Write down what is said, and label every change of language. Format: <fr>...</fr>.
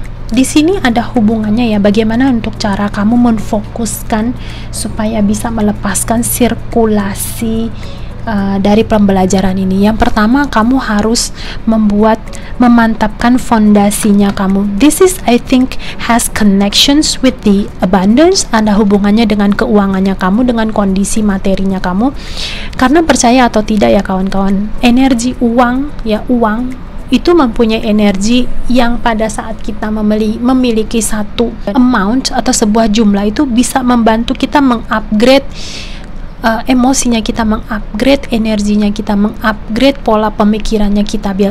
<id>Di sini ada hubungannya ya, bagaimana untuk cara kamu memfokuskan supaya bisa melepaskan sirkulasi dari pembelajaran ini. Yang pertama, kamu harus memantapkan fondasinya kamu.</id> <en>This is, I think, has connections with the abundance.</en> <id>Ada hubungannya dengan keuangannya kamu, dengan kondisi materinya kamu. Karena percaya atau tidak ya kawan-kawan, energi uang ya, uang itu mempunyai energi yang pada saat kita memiliki satu amount atau sebuah jumlah itu bisa membantu kita mengupgrade emosinya kita, mengupgrade energinya kita, mengupgrade pola pemikirannya kita.</id>